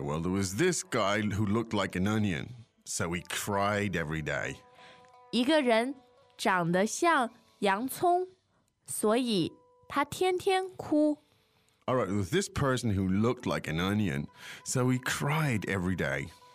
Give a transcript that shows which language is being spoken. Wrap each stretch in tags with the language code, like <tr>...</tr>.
<en>well, there was this guy who looked like an onion, so he cried every day.</en> <zh>一个人 长得像洋葱，所以他天天哭。All</zh> <en>right, it was this person who looked like an onion, so he cried every day.</en>